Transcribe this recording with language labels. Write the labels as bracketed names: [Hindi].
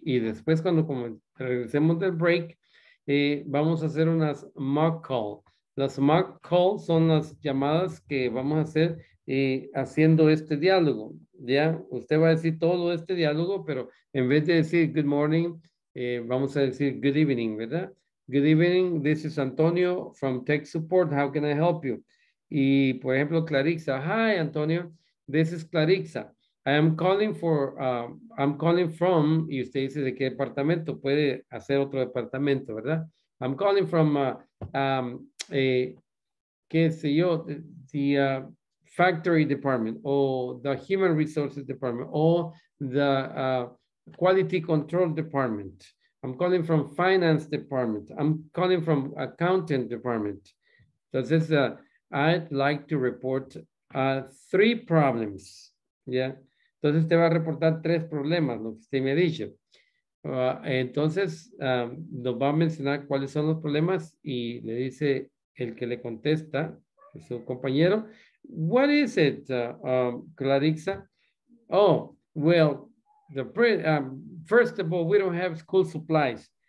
[Spanish] Y después, cuando regresemos del break, vamos a hacer unas mock call. Las mock call son las llamadas que vamos a hacer haciendo este diálogo. Ya usted va a decir todo este diálogo, pero en vez de decir [English] good morning, [Spanish] vamos a decir [English] good evening, [Spanish] ¿verdad? [English] Good evening, this is Antonio from Tech Support. How can I help you? [Spanish] Y por ejemplo, [English] Clarissa, hi Antonio. This is Clarissa. I am calling for, I'm calling from, [Spanish] y usted dice de qué departamento, puede hacer otro departamento, ¿verdad? [English] I'm calling from, [Spanish] qué sé yo, [English] the factory department, o the human resources department, o the quality control department. I'm calling from finance department. I'm calling from accountant department. Entonces, I'd like to report three problems. Yeah. [Spanish] Entonces te va a reportar tres problemas, lo que usted me ha dicho. Entonces nos va a mencionar cuáles son los problemas y le dice el que le contesta, su compañero. [English] What is it, Clarixa? Oh, well, the first of all, we don't have school supplies.